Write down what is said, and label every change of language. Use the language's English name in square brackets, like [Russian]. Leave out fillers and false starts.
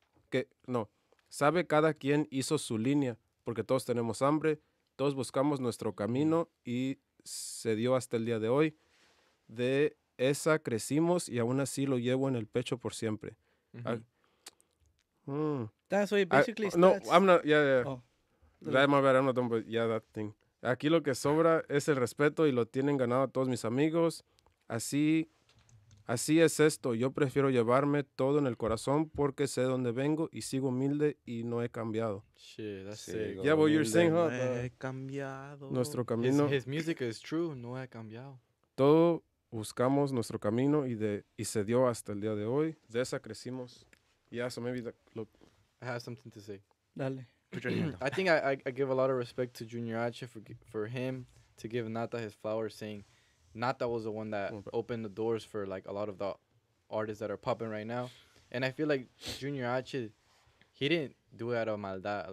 [Spanish] Que, no, sabe cada quien hizo su línea, porque todos tenemos hambre, todos buscamos nuestro camino y se dio hasta el día de hoy. De esa crecimos y aún así lo llevo en el pecho por siempre. Mm-hmm. [English] That's what it basically says. No, I'm not. Yeah. Oh. That, my bad. I'm not done, but yeah, that thing. [Spanish] Aquí lo que sobra es el respeto y lo tienen ganado todos mis amigos. Así es esto. Yo prefiero llevarme todo en el corazón porque sé dónde vengo y sigo humilde y no he cambiado. [English] Shit, that's sick. Yeah, what you're saying, huh? [Spanish] No he cambiado. Nuestro camino. [English] His music is true. [Spanish] No he cambiado. Todo buscamos nuestro camino y se dio hasta el día de hoy. De esa crecimos. [English] Yeah, so maybe look. I have something to say. [Spanish] Dale. [English] I think I give a lot of respect to Junior H for him to give Nata his flowers, saying Nata was the one that opened the doors for like a lot of the artists that are popping right now. And I feel like Junior H, he didn't do it out of maldad.